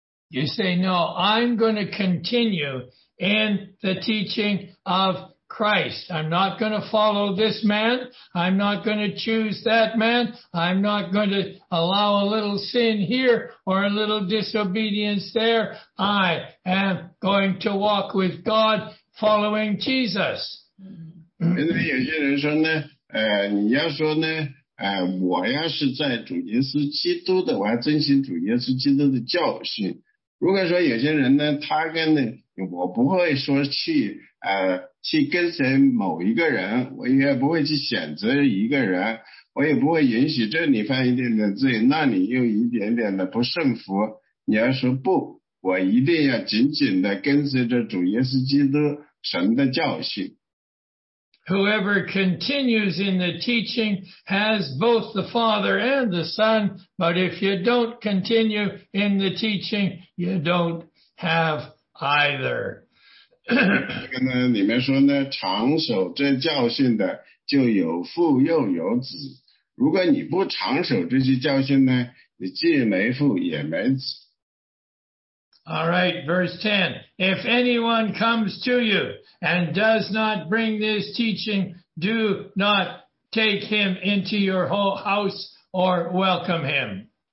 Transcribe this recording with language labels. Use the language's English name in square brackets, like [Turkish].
[English] You say, no, I'm going to continue in the teaching of Christ. I'm not going to follow this man. I'm not going to choose that man. I'm not going to allow a little sin here or a little disobedience there. I am going to walk with God following Jesus. [Chinese] 有些人说呢，你要说呢，我要是在主耶稣基督的，我要遵循主耶稣基督的教训。如果说有些人呢他跟呢我不会说去跟随某一个人，我也不会去选择一个人，我也不会允许这里犯一点点罪那里又一点点的不顺服，你要说不，我一定要紧紧的跟随着主耶稣基督神的教训。 [English] Whoever continues in the teaching has both the Father and the Son, but if you don't continue in the teaching, you don't have either. [Chinese] 这个呢，里面说呢，长守这教训的就有父又有子。如果你不长守这些教训呢，你既没父也没子。 [English] All right, verse 10. If anyone comes to you and does not bring this teaching, do not take him into your whole house or welcome him.